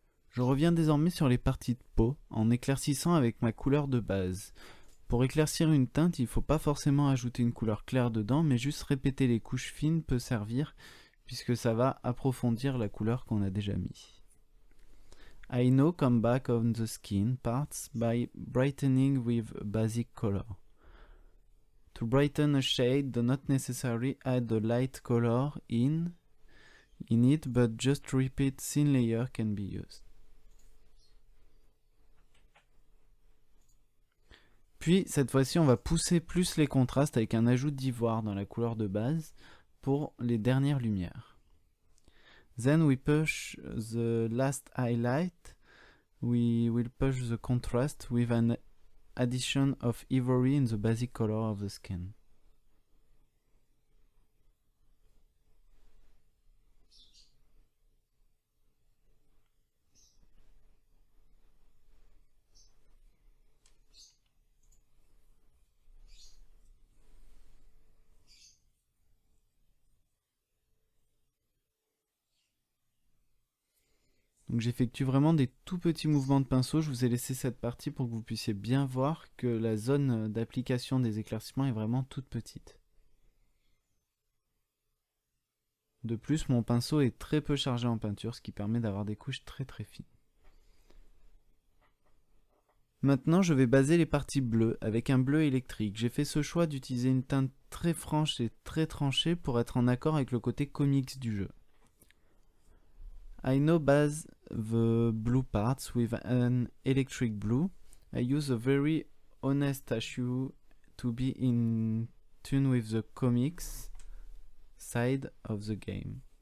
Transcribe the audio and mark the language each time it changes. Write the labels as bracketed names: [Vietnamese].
[French] Je reviens désormais sur les parties de peau en éclaircissant avec ma couleur de base. Pour éclaircir une teinte, il ne faut pas forcément ajouter une couleur claire dedans, mais juste répéter les couches fines peut servir puisque ça va approfondir la couleur qu'on a déjà mise. [English] I now come back on the skin parts by brightening with a basic color. To brighten a shade, do not necessarily add a light color in it, but just repeat thin layer can be used. [French] Puis cette fois-ci, on va pousser plus les contrastes avec un ajout d'ivoire dans la couleur de base pour les dernières lumières. [English] Then we push the last highlight. We will push the contrast with an addition of ivory in the basic color of the skin. [French] Donc j'effectue vraiment des tout petits mouvements de pinceau. Je vous ai laissé cette partie pour que vous puissiez bien voir que la zone d'application des éclaircissements est vraiment toute petite. De plus, mon pinceau est très peu chargé en peinture, ce qui permet d'avoir des couches très très fines. Maintenant, je vais baser les parties bleues avec un bleu électrique. J'ai fait ce choix d'utiliser une teinte très franche et très tranchée pour être en accord avec le côté comics du jeu. [English] I now base the blue parts with an electric blue. I use a very honest hue to be in tune with the comics side of the game.